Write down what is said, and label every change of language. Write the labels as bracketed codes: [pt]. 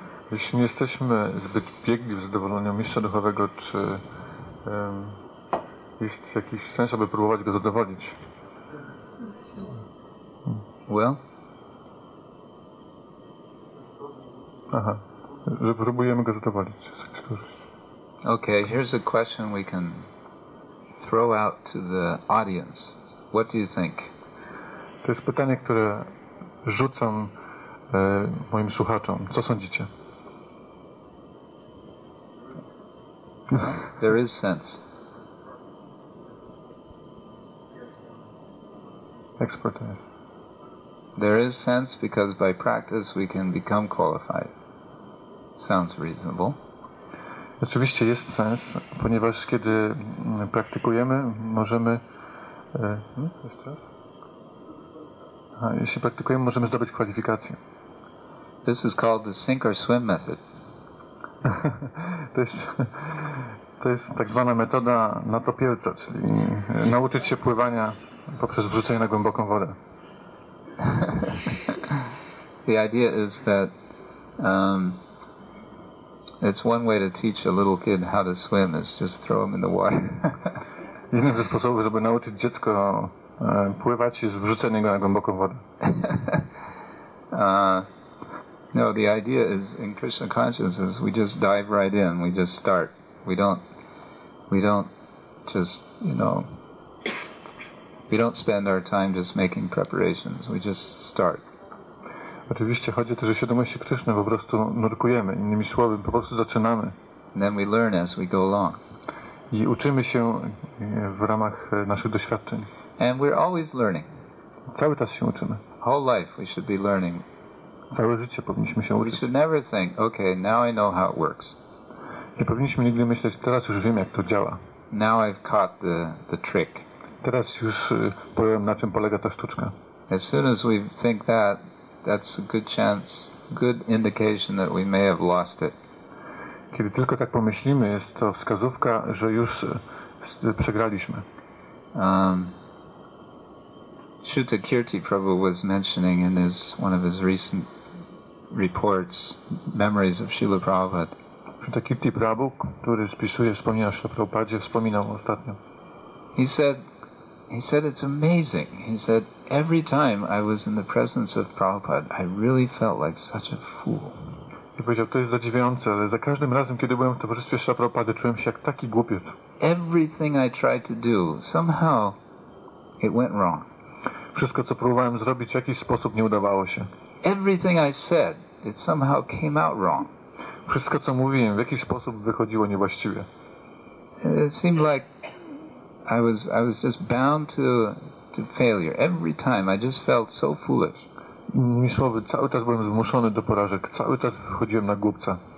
[pl] Jeśli nie jesteśmy zbyt biegli w zadowoleniu mistrza duchowego, czy jest jakiś sens, aby próbować go zadowolić? [en] Well? [pl] Aha, że próbujemy go zadowolić. [en] Okay, here's a question we can throw out to the audience. What do you think? [pl] To jest pytanie, które rzucam moim słuchaczom. Co sądzicie? [en] There is sense. Expertise. There is sense because by practice we can become qualified. Sounds reasonable. [pl] Oczywiście jest sens, ponieważ kiedy praktykujemy, możemy... jeszcze raz? A jeśli praktykujemy, możemy zdobyć kwalifikacje. [en] This is called the sink or swim method. [pl] To jest tak zwana metoda na topielca, czyli nauczyć się pływania poprzez wrzucenie na głęboką wodę. [en] The idea is that it's one way to teach a little kid how to swim is just throw him in the water. [pl] Jeden ze sposobów, żeby nauczyć dziecko pływać, jest wrzucenie go na głęboką wodę. [en] No, the idea is in Krishna consciousness we just dive right in, we just start. We don't spend our time just making preparations, we just start. [pl] Oczywiście chodzi o to, że świadomości Krishna po prostu nurkujemy, innymi słowy, po prostu zaczynamy. [en] And then we learn as we go along. [pl] I uczymy się w ramach naszych doświadczeń. [en] And we're always learning. [pl] Cały czas się uczymy. [en] Whole life we should be learning. [pl] Całe życie powinniśmy się uczyć. [en] We should never think, okay, now I know how it works. [pl] Nie powinniśmy nigdy myśleć, teraz już wiem, jak to działa. [en] Now I've caught the trick. [pl] Teraz już powiem, na czym polega ta sztuczka. [en] As soon as we think that, that's a good chance, good indication that we may have lost it. [pl] Kiedy tylko tak pomyślimy, jest to wskazówka, że już przegraliśmy. [en] Śruta Kirti Prabhu was mentioning in his one of his recent reports, Memories of Śrīla Prabhupāda. [pl] Śruta Kirti Prabhu, który spisuje wspomnienia o Śrīla Prabhupādzie, wspominał ostatnio. [en] He said it's amazing. He said every time I was in the presence of Prabhupada, I really felt like such a fool. [pl] I powiedział, to jest zadziwiające, ale za każdym razem, kiedy byłem w towarzystwie Śrīla Prabhupādy, czułem się jak taki głupiec. [en] Everything I tried to do, somehow it went wrong. [pl] Wszystko, co próbowałem zrobić, w jakiś sposób nie udawało się. [en] Everything I said, it somehow came out wrong. [pl] Wszystko, co mówiłem, w jakiś sposób wychodziło niewłaściwie. [en] It seemed like I was just bound to failure. Every time I just felt so foolish. [pl] Innymi słowy, cały czas byłem zmuszony do porażek. Cały czas wychodziłem na głupca.